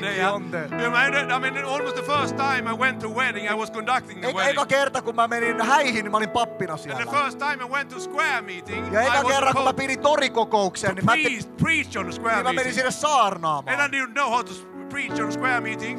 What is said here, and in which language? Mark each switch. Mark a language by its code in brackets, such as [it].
[en] almost the first time I went to wedding, I was conducting the wedding. [fi] Eka kerta kun mä menin häihin, mä olin pappina siellä. [en] And the first time I went to square meeting, [fi] ja eka kerta kun mä pidin torikokouksen, [en] niin preach on the square meeting. [fi] Mä menin sinne saarnaamaan. [en] And I didn't know how to preach on a square meeting.